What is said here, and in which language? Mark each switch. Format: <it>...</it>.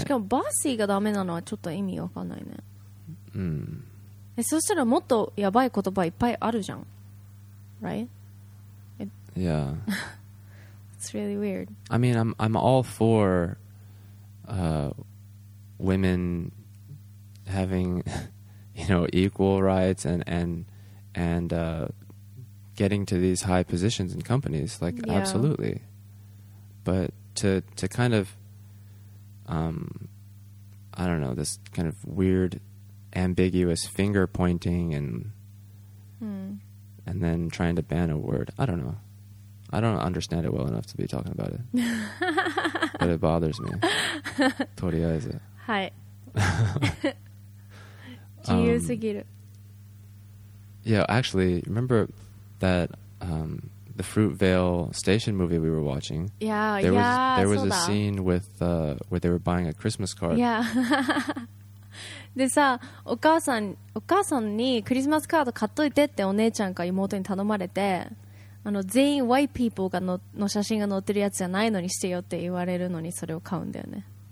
<ja>しかも bossy がダメなのはちょっと意味わかんないね。 Mm. そしたらもっとやばい言葉いっぱいあるじゃん。</ja> <en>Right? Yeah. It's really weird. I mean, I'm all for women having, you know, equal rights and getting to these high positions in companies. Like,、 yeah. absolutely. But to kind of, I don't know, this kind of weird, ambiguous finger pointing and、 hmm. and then trying to ban a word. I don't know. I don't understand it well enough to be talking about it. But it bothers me.</en> <ja>とりあえず。はい。自由すぎる。</ja> <en>Yeah, actually, remember that、the Fruitvale Station movie we were watching? Yeah, there yeah, was, there was</en> <ja>そうだ。</ja> <en>A scene with,、where they were buying a Christmas card. Yeah.</en> <ja>でさ、お母さんにクリスマスカード買っといてってお姉ちゃんか妹に頼まれて、あの全員</ja> <en>white people</en> <ja>がの写真が載ってるやつじゃないのにしてよって言われるのにそれを買うんだよね。</ja>